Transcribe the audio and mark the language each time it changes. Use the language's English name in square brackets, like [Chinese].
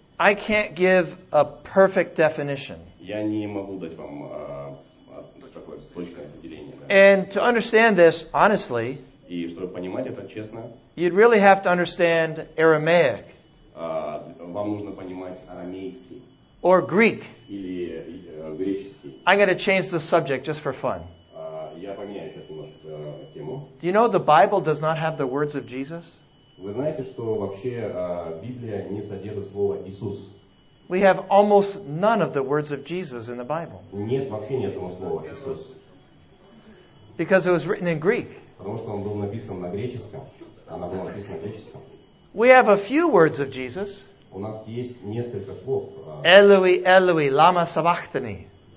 [English] I can't give a perfect definition. [Russian] Я не могу дать вам такое точное определение. Да? [English] And to understand this, honestly, [Russian] и чтобы понимать это честно, [English] you'd really have to understand Aramaic. [Russian] Вам нужно понимать арамейский. [English] Or Greek. [Russian] Или греческий. [English] I'm going to change the subject just for fun. [Russian] Я поменяю сейчас немножко тему. [English] Do you know the Bible does not have the words of Jesus? [Russian] Вы знаете, что вообще Библия не содержит слова Иисус? [English] We have almost none of the words of Jesus in the Bible. [Russian] Нет, вообще нет этого слова Иисус. [English] Because it was written in Greek. [Russian] Потому что он был написан на греческом. Она была написана на греческом. [English] We have a few words of Jesus. [Russian] У нас есть несколько слов. [Aramaic] Элуи, Элуи, лама сабахтани.